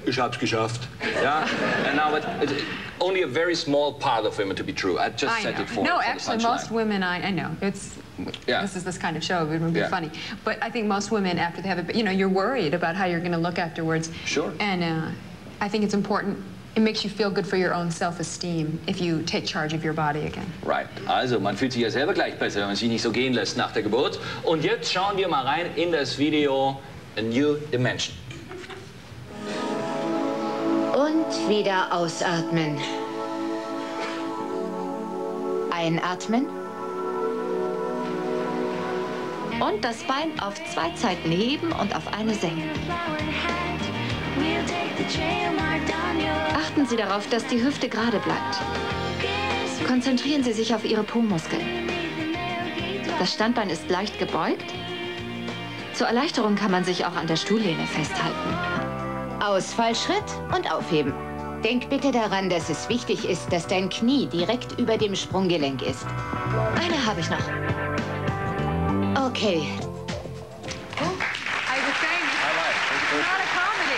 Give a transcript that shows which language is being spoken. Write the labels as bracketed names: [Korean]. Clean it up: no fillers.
[German] Ich hab's geschafft. [English] Yeah, and now what? Only a very small part of women to be true. I just said it for no, for actually, most women, I know, it's, yeah. This is this kind of show, it would be funny. But I think most women, after they have a, you know, you're worried about how you're going to look afterwards. Sure. And I think it's important, it makes you feel good for your own self-esteem if you take charge of your body again. Right. [German] Also, man fühlt sich ja selber gleich besser, wenn man sich nicht so gehen lässt nach der Geburt. Und jetzt schauen wir mal rein in das Video A New Dimension. Und wieder ausatmen. Einatmen. Und das Bein auf zwei Seiten heben und auf eine senken. Achten Sie darauf, dass die Hüfte gerade bleibt. Konzentrieren Sie sich auf Ihre Po-Muskeln. Das Standbein ist leicht gebeugt. Zur Erleichterung kann man sich auch an der Stuhllehne festhalten. Ausfallschritt und aufheben. Denk bitte daran, dass es wichtig ist, dass dein Knie direkt über dem Sprunggelenk ist. Eine habe ich noch. Okay. [English] Oh, I was saying, it's not a comedy.